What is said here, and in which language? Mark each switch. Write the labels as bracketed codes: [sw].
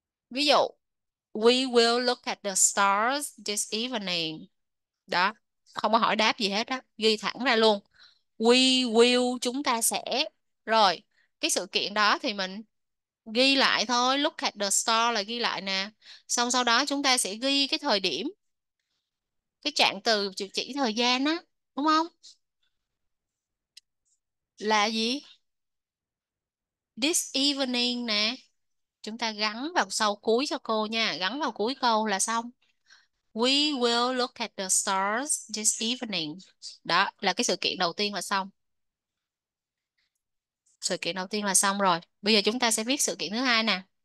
[vi] Ví dụ [en] we will look at the stars this evening. [vi] Đó, không có hỏi đáp gì hết á, ghi thẳng ra luôn. [en] We will, [vi] chúng ta sẽ. Rồi, cái sự kiện đó thì mình ghi lại thôi. [en] Look at the star [vi] là ghi lại nè. Xong sau đó chúng ta sẽ ghi cái thời điểm. Cái trạng từ chỉ thời gian á, đúng không? Là gì? [en] This evening [vi] nè. Chúng ta gắn vào sau cuối cho cô nha. Gắn vào cuối câu là xong. [en] We will look at the stars this evening. [vi] Đó là cái sự kiện đầu tiên là xong. Sự kiện đầu tiên là xong rồi. Bây giờ chúng ta sẽ viết sự kiện thứ hai nè.